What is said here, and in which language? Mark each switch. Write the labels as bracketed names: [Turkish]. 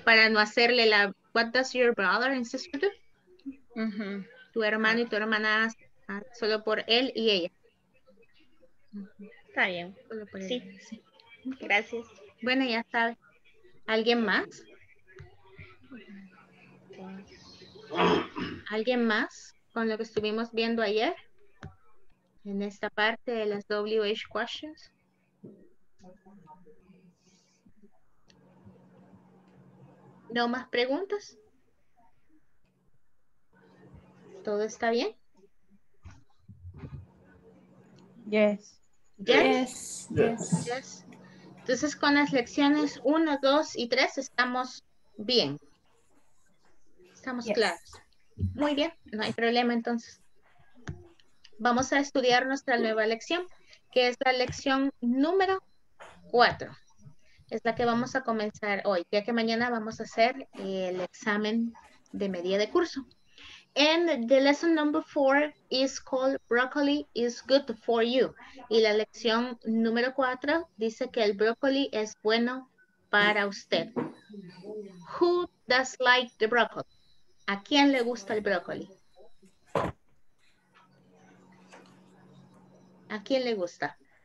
[Spanish] Para no hacerle la [English] what does your brother and sister do? [Spanish] Tu hermano y tu hermana solo por él y ella. Está bien. Solo por sí. Él. Sí. Gracias. Bueno, ya sabe. ¿Alguien más? ¿Alguien más con lo que estuvimos viendo ayer? En esta parte de las WH questions. ¿No más preguntas? ¿Todo está bien? [English] Yes. [Spanish] Entonces con las lecciones 1, 2 y 3 estamos bien. Estamos claros. Muy bien, no hay problema entonces. Vamos a estudiar nuestra nueva lección, que es la lección número 4. Es la que vamos a comenzar hoy, ya que mañana vamos a hacer el examen de media de curso. [English] And the lesson number 4 is called Broccoli is good for you. [Spanish] Y la lección número 4 dice que el broccoli es bueno para usted. [English] Who does like the broccoli? [Spanish] ¿A quién le gusta el broccoli? ¿A quién le gusta?